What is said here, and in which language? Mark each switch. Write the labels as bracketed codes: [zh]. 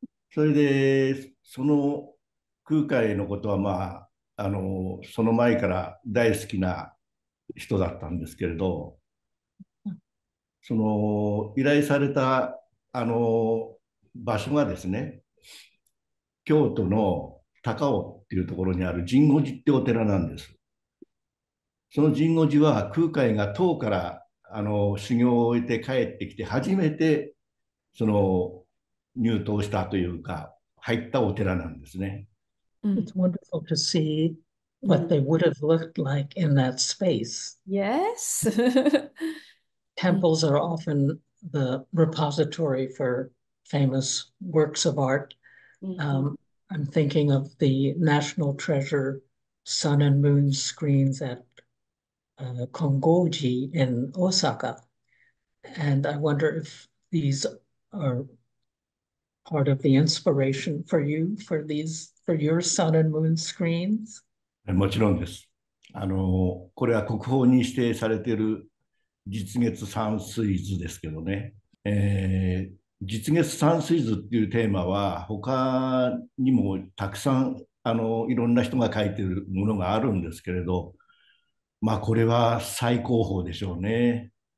[ja] それでその空海のことはまあその前から大好きな人だったんですけれど、その依頼された場所がですね、京都の高尾っていうところにある神護寺ってお寺なんです。その神護寺は空海が唐から修行を終えて帰ってきて初めてその入湯したというか入ったお寺なんですね。 [en] It's wonderful to see what they would have looked like in that space. Yes. Temples are often the repository for famous works of art. I'm thinking of the National Treasure Sun and Moon screens at Kongoji in Osaka. And I wonder if these are part of the inspiration for you, for these, for your sun and moon screens? [ja] もちろんです。これは国宝に指定されている日月山水図ですけどね。日月山水図っていうテーマは他にもたくさんいろんな人が書いているものがあるんですけれど、まあこれは最高峰でしょうね。